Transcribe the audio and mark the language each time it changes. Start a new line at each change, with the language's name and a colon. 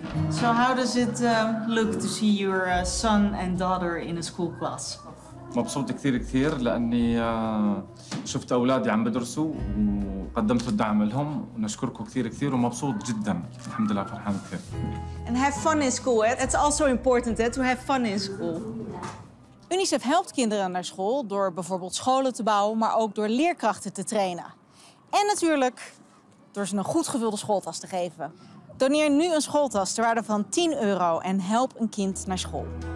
English: So how does it look to see your son and daughter in a school class?
Arabic: مبسوط كثير كثير لاني شفت اولادي عم بدرسوا وقدمت الدعم لهم ونشكركم كثير كثير ومبسوط جدا الحمد لله فرحان كثير.
English: And have fun in school. It's also important to have fun in school.
Dutch: UNICEF helpt kinderen naar school door bijvoorbeeld scholen te bouwen, maar ook door leerkrachten te trainen. En natuurlijk door ze een goed gevulde schooltas te geven. Doneer nu een schooltas ter waarde van 10 euro en help een kind naar school.